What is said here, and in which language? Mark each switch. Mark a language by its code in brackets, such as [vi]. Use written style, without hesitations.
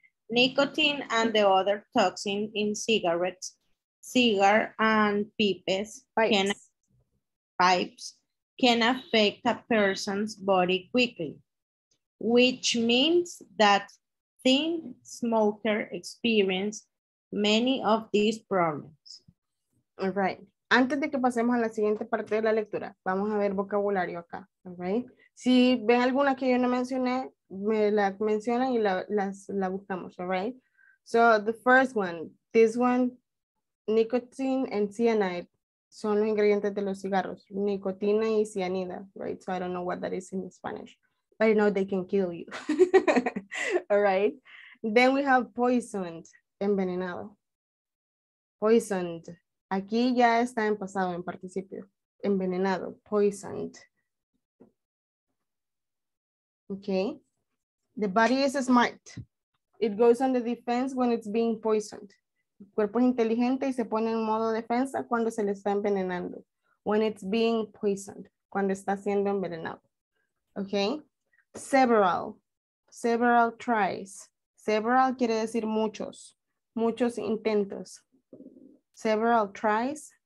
[en] Nicotine and the other toxins in cigarettes, cigar and pipes can affect a person's body quickly, which means that thin smokers experience many of these problems. All right. [es] Antes de que pasemos a la siguiente parte de la lectura, vamos a ver vocabulario acá. [en] All right. [es] Si ven alguna que yo no mencioné, me la mencionan y la buscamos. [en] All right. So the first one, this one. Nicotine and cyanide [es] son los ingredientes de los cigarros. Nicotina y cianida, [en] right? So I don't know what that is in Spanish, but I know they can kill you. All right. Then we have poisoned, [es] envenenado. [en] Poisoned. [es] Aquí ya está en pasado, en participio. Envenenado, [en] poisoned. Okay. The body is smart. It goes on the defense when it's being poisoned. [es] cuerpo es inteligente y se pone en modo defensa cuando se le está envenenando. [en] When it's being poisoned, [es] cuando está siendo envenenado. [en] Okay. Several. Several tries. [es] Several quiere decir muchos. Muchos intentos. [en] Several tries.